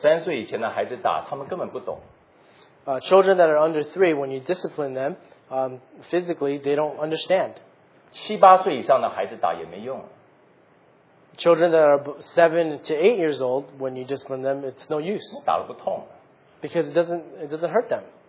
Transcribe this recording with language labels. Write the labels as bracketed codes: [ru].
[zh] 三岁以前的孩子打，他们根本不懂。 [en] Children that are under three, when you discipline them, physically, they don't understand. [zh] 七八岁以上的孩子打也没用。 [en] Children that are 7 to 8 years old, when you discipline them, it's no use. [zh] 打了不痛。 [en] Because it doesn't hurt them.